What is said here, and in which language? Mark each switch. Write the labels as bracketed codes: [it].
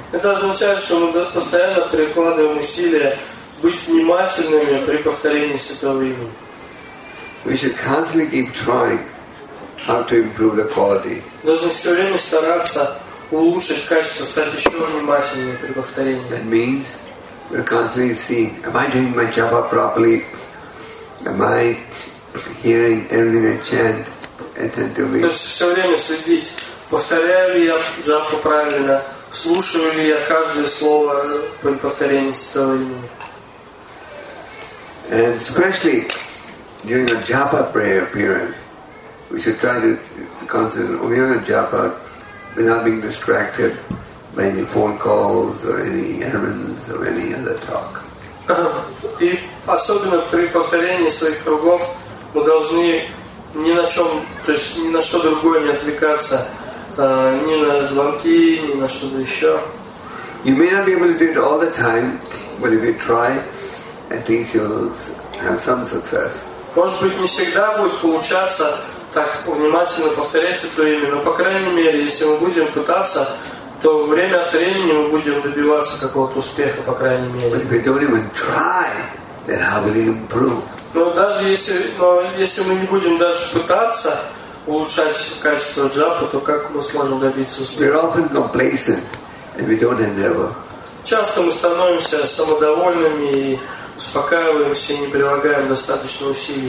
[ru] Это означает, что мы постоянно прикладываем усилия быть внимательными при повторении святого имени. [en] We should constantly keep trying how to improve the quality. [ru] Должны все время стараться улучшить качество, стать еще внимательнее при повторении. [en] That means we are constantly seeing, am I doing my japa properly? Am I hearing everything I chant attentively? [ru] То есть все время следить, повторяю ли я джапу правильно, слушаю ли я каждое слово при повторении святого имени. [en] And especially during a japa prayer period, we should try to concentrate only on a japa without being distracted by any phone calls or any errands or any other talk. [ru] И особенно при повторении своих кругов мы должны ни на чем, то есть ни на что другое не отвлекаться. Ни на звонки, ни на что-то еще. [en] You may not be able to do it all the time, but if you try, at least you'll have some success. [ru] Может быть, не всегда будет получаться так внимательно повторять это имя, но, по крайней мере, если мы будем пытаться, то время от времени мы будем добиваться какого-то успеха, по крайней мере. [en] But if we don't even try, then how will we improve? [ru] Но если мы не будем даже пытаться улучшать качество джапы, то как мы сможем добиться успеха? [en] We're often complacent and we don't endeavor. [ru] Часто мы становимся самодовольными и успокаиваемся и не прилагаем достаточно усилий.